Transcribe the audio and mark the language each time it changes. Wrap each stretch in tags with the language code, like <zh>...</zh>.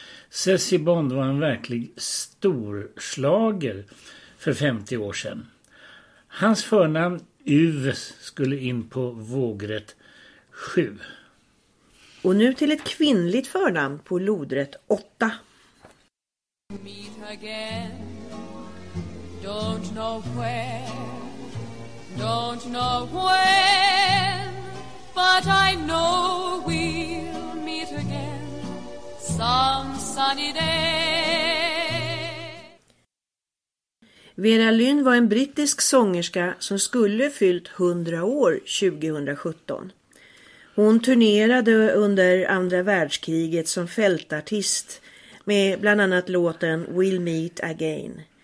<sv>C'est si bon var en verklig storslager för 50 år sedan. Hans förnamn Yves skulle in på vågrätt 7. Och nu till ett kvinnligt förnamn på lodrätt 8.</sv> <en>Meet again. Don't know where, don't know when, but I know we'll meet again some sunny day.</en> <sv>Vera Lynn var en brittisk sångerska som skulle fyllt 100 år 2017. Hon turnerade under andra världskriget som fältartist med bland annat låten We'll Meet Again.</sv>